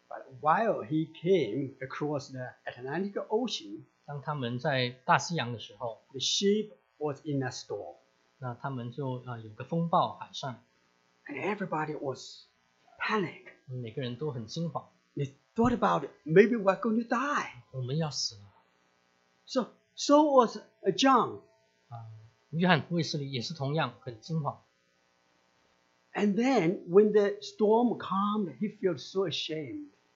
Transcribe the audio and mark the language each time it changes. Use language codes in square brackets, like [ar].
[en] But while he came across the Atlantic Ocean, [zh] 当他们在大西洋的时候, [en] the ship was in a storm. [zh] 那他们就有个风暴海上。 [en] And everybody was panicked. [zh] 每个人都很惊慌。 [en] They thought about it, maybe we're going to die. [zh] 我们要死了。 [en] So was John. [zh] 约翰卫斯理也是同样很惊慌。 [en] And then when the storm calmed, he felt so ashamed.